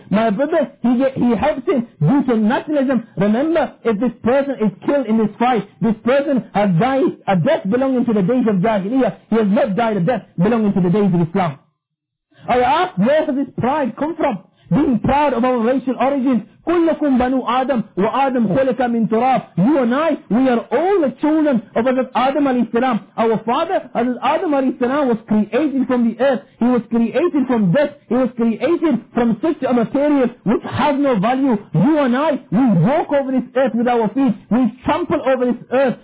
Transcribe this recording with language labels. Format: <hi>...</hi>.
<en>My brothers, he helps him due to nationalism. Remember, if this person is killed in this fight, this person has died a death belonging to the days of Jahiliyyah. He has not died a death belonging to the days of Islam. I ask, where does this pride come from? Being proud of our racial origins.</en> <ar>كلكم بنو آدم وآدم خلق من تراب.</ar> <en>You and I, we are all the children of Hazrat Adam a.s. Our father, Hazrat Adam a.s., was created from the earth. He was created from dust. He was created from such a material which has no value. You and I, we walk over this earth with our feet. We trample over this earth.</en>